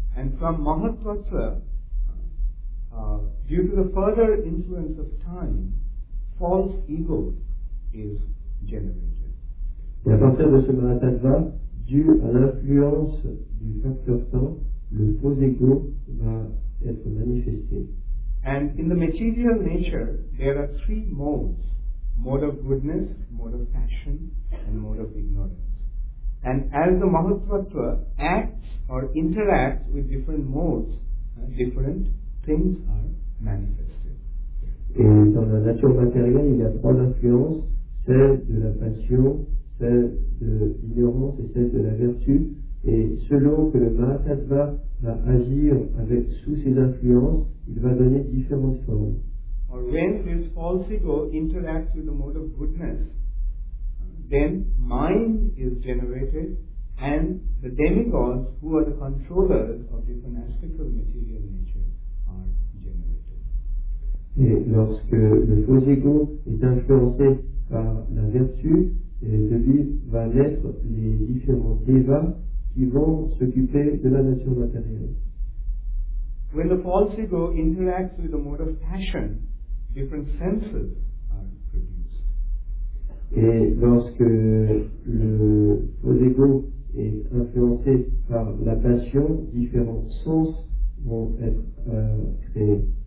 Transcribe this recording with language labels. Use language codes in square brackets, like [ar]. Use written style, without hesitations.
[en] And from Mahatattva, due to the further influence of time, false ego is generated. [fr] Et à partir de ce Mahatattva, dû à l'influence du facteur temps, le faux ego va être manifesté. [en] And in the material nature, there are three modes: mode of goodness, mode of passion, and mode of ignorance. And as the Mahatattva acts or interacts with different modes, different things are manifested. [fr] Et dans la nature matérielle, il y a trois influences: celle de la passion, celle de l'ignorance et celle de la vertu, et selon que le Mahatattva va agir avec sous ses influences, il va donner différentes formes. [en] Or when this false ego interacts with the mode of goodness, then mind is generated, and the demigods, who are the controllers of different aspects of material nature, are generated. [fr] Et lorsque le faux ego est influencé par la vertu, et de lui va naître les différents devas qui vont s'occuper de la nature matérielle. [en] When the false ego interacts with the mode of passion, different senses are produced. [fr] Et lorsque le faux ego est influencé par la passion, différents sens vont être créés.